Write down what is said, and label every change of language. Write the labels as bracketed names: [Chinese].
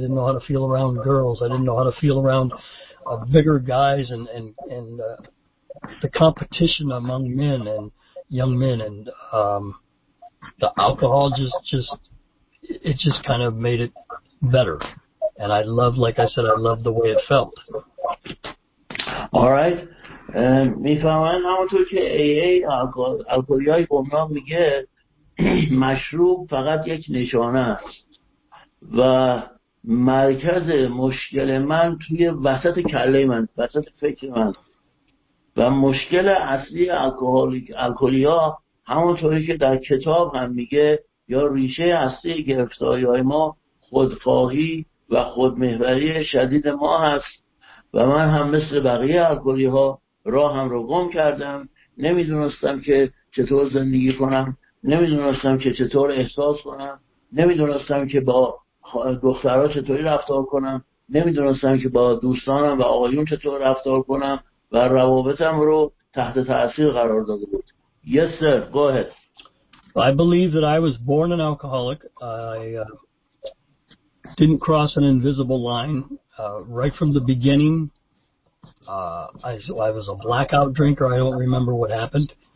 [English] I didn't know how to feel around girls. I didn't know how to feel around bigger guys and the competition among men and young men. And the alcohol just kind of made it better. And I loved, like I said, I loved the way it felt. All right. [Persian] میفهمن همونطور که AA الکلی های گمراه میگه مشروب فقط یک نشانه است و مرکز مشکل من توی وسط کله من، وسط فکر من، و مشکل اصلی الکلی ها همونطوری که در کتاب هم میگه یا ریشه اصلی گرفتاری های ما خودخواهی و خودمحوری شدید ما هست و من هم مثل بقیه الکلی ها راهم رو گم کردم، نمیدونستم که چطور زندگی کنم، نمیدونستم که چطور احساس کنم، نمیدونستم که با دخترها چطوری رفتار کنم، نمیدونستم که با دوستانم و آقایون چطور رفتار کنم و روابطم رو تحت تأثیر قرار داده بود. [English] Yes sir, go ahead. I believe that I was born an alcoholic. I didn't cross an invisible line right from the beginning. I was a blackout drinker. I don't remember what happened.